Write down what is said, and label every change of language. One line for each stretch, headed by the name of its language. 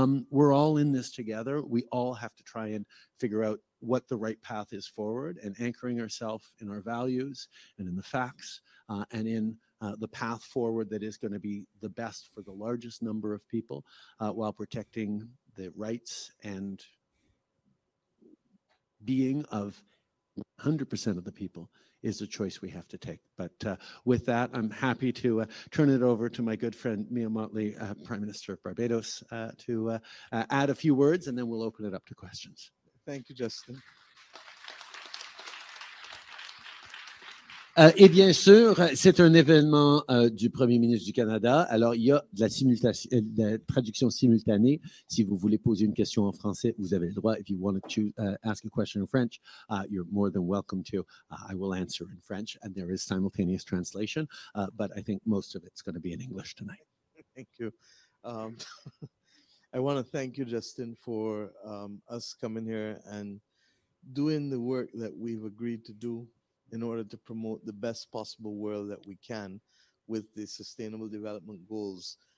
English: We're all in this together. We all have to try and figure out what the right path is forward, and anchoring ourselves in our values and in the facts and in the path forward that is going to be the best for the largest number of people while protecting the rights and being of 100% of the people is a choice we have to take. But with that, I'm happy to turn it over to my good friend, Mia Motley, Prime Minister of Barbados, to add a few words, and then we'll open it up to questions. Thank you, Justin.
French: Et bien sûr, c'est un événement du Premier ministre du Canada. Alors, il y a de la traduction simultanée. Si vous voulez poser une question en français, vous avez le droit.
English: If you want to ask a question in French, you're more than welcome to. I will answer in French, and there is simultaneous translation. But I think most of it's going to be in English tonight. Thank you. I want to thank you, Justin, for us coming here and doing the work that we've agreed to do in order to promote the best possible world that we can with the Sustainable Development Goals.